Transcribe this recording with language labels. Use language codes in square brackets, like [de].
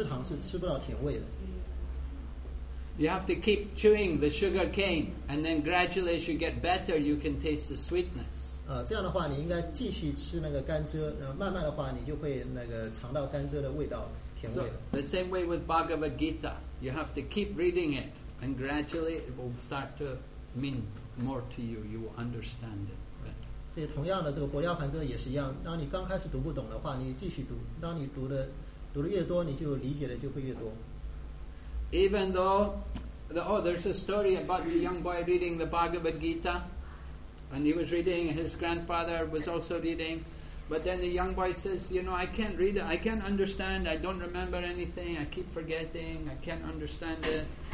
[zh] 就好像有那个胖胖的曾经举过个例子，就是假设有人得了黄疸病的话，就他吃糖是吃不到甜味的。 [en] You have to keep chewing the sugar cane, and then gradually as you get better, you can taste the sweetness. [zh] 这样的话，你应该继续吃那个甘蔗，慢慢的话，你就会尝到甘蔗的味道。 [en] So, the same way with Bhagavad Gita, you have to keep reading it, and gradually it will start to mean more to you. You will understand it better. [zh] 所以同样的，这个《薄伽梵歌》也是一样。当你刚开始读不懂的话，你继续读，当你读的越多，你就理解的就会越多。 [en] Even though, there's a story about the young boy reading the Bhagavad Gita, and he was reading, his grandfather was also reading. But then the young boy says, you know, I can't read it, I can't understand, I don't remember anything, I keep forgetting, I can't understand it.